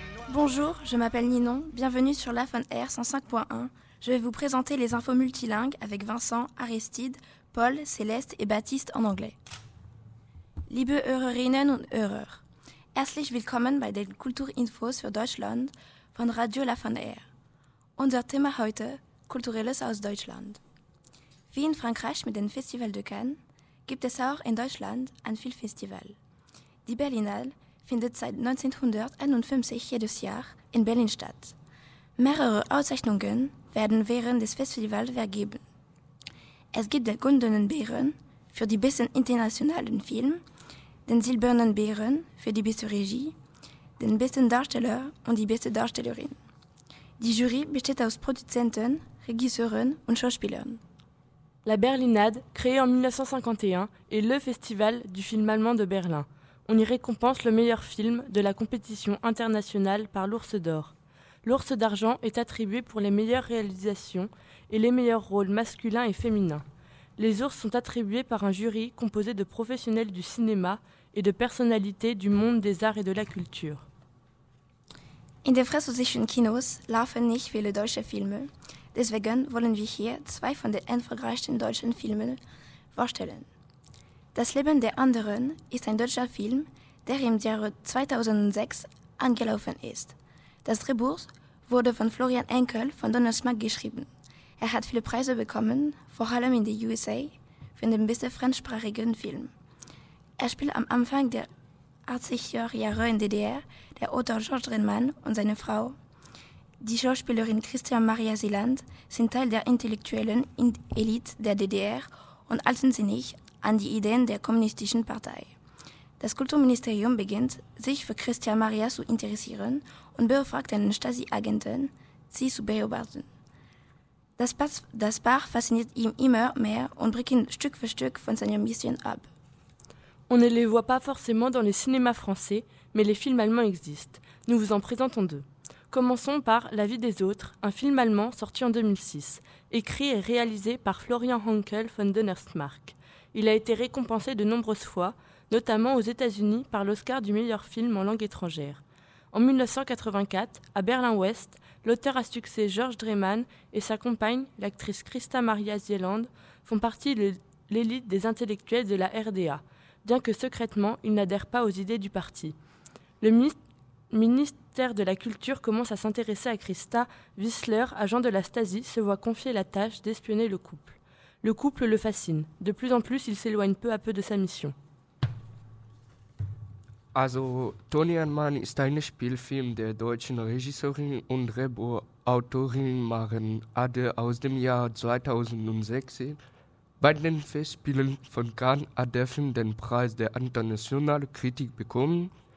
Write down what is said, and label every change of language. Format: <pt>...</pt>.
<fr>Bonjour, je m'appelle Ninon, bienvenue sur La Fun Air 105.1. Je vais vous présenter les infos multilingues avec Vincent, Aristide, Paul, Céleste et Baptiste en anglais.</fr> <de>Liebe Hörerinnen und Hörer, herzlich willkommen bei den Kulturinfos für Deutschland von Radio La Fun Air. Unser Thema heute, kulturelles aus Deutschland. Wie in Frankreich mit dem Festival de Cannes, gibt es auch in Deutschland ein Filmfestival. Die Berlinale findet seit 1951 jedes Jahr in Berlin statt. Mehrere Auszeichnungen werden während des Festivals vergeben. Es gibt den Goldenen Bären für die besten internationalen Filme, den Silbernen Bären für die beste Regie, den besten Darsteller und die beste Darstellerin. Die Jury besteht aus Produzenten, Regisseuren und Schauspielern. La Berlinade, créée en 1951, est le festival du film allemand de Berlin. On y récompense le meilleur film de la compétition internationale par l'Ours d'or. L'Ours d'argent est attribué pour les meilleures réalisations et les meilleurs rôles masculins et féminins. Les ours sont attribués par un jury composé de professionnels du cinéma et de personnalités du monde des arts et de la culture. In den französischen Kinos laufen nicht viele deutsche Filme. Deswegen wollen wir hier zwei von den erfolgreichsten deutschen Filmen vorstellen. Das Leben der anderen ist ein deutscher Film, der im Jahre 2006 angelaufen ist. Das Drehbuch wurde von Florian Enkel von Donald Smack geschrieben. Er hat viele Preise bekommen, vor allem in den USA, für den besten fremdsprachigen Film. Er spielt am Anfang der 80er Jahre in DDR der Autor Georges Drehmann und seine Frau. Die Schauspielerin Christian Maria Sieland sind Teil der intellektuellen Elite der DDR und halten sie nicht an die Ideen der kommunistischen Partei. Das Kulturministerium beginnt, sich für Christian Maria zu interessieren und beauftragt einen Stasi-Agenten, sie zu beobachten. Das Paar fasziniert ihn immer mehr und bricht ihn Stück für Stück von seiner Mission ab.</de> <fr>On ne les voit pas forcément dans les cinémas français, mais les films allemands existent. Nous vous en présentons deux. Commençons par La vie des autres, un film allemand sorti en 2006, écrit et réalisé par Florian Henkel von Donnersmarck. Il a été récompensé de nombreuses fois, notamment aux États-Unis par l'Oscar du meilleur film en langue étrangère. En 1984, à Berlin-Ouest, l'auteur à succès Georges Drehmann et sa compagne, l'actrice Christa Maria Sieland, font partie de l'élite des intellectuels de la RDA, bien que secrètement, ils n'adhèrent pas aux idées du parti. Le ministère de la Culture commence à s'intéresser à Christa. Wissler, agent de la Stasi, se voit confier la tâche d'espionner le couple. Le couple le fascine. De plus en plus, il s'éloigne peu à peu de sa mission.</fr> <de>Also, Toni Erdmann ist ein Spielfilm der deutschen Regisseurin und Drehbuchautorin Maren Ade aus dem Jahr 2016. Bei den Festspielen von Cannes hat der Film den Preis der internationalen Kritik bekommen.</de>